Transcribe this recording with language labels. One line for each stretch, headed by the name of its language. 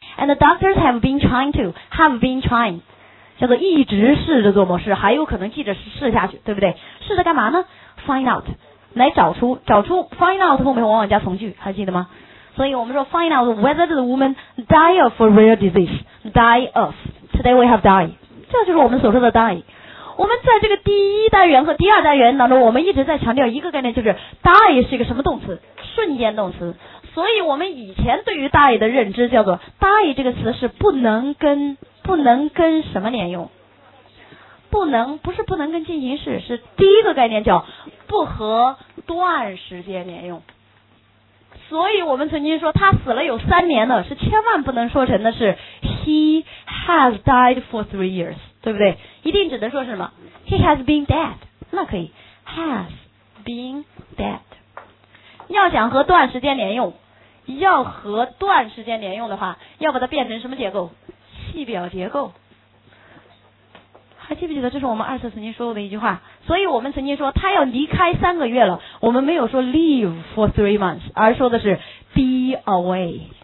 English: And the doctors have been trying.
Chinese: 叫做一直试着做某事，还有可能记着试下去，对不对？试着干嘛呢？
English: Find out，
Chinese: 来找出 find out 后面往往加从句，还记得吗？所以我们说
English: find out whether the woman die of a rare disease， die of， today we have die，
Chinese: 这就是我们所说的
English: die。
Chinese: 我们在这个第一单元和第二单元当中，我们一直在强调一个概念，就是 die 是一个什么动词？瞬间动词。所以我们以前对于 die 的认知叫做 die 这个词是不能跟什么连用，不是不能跟进行式，是第一个概念叫不和段时间连用。所以我们曾经说他死了有三年了，是千万不能说成的是
English: he has died for 3 years，
Chinese: 对不对？一定只能说什么
English: he has been dead，
Chinese: 那可以
English: has been dead。
Chinese: 要想和段时间连用，要和段时间连用的话，要把它变成什么结构？系表结构。还记不记得这是我们二次曾经说过的一句话？所以我们曾经说他要离开三个月了，我们没有说
English: leave for 3 months，
Chinese: 而说的是
English: be away。